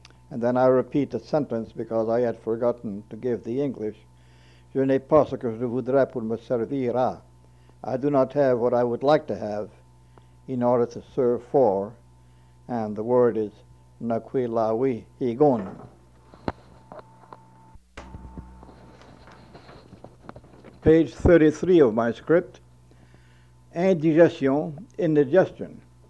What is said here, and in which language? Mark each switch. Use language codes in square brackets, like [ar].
[en] And then I repeat the sentence because I had forgotten to give the English. [fr] Je n'ai pas ce que je voudrais pour me servir à. [en] I do not have what I would like to have in order to serve for. And the word is Nakwilawi Higon. Page 33 of my script. Indigestion, indigestion.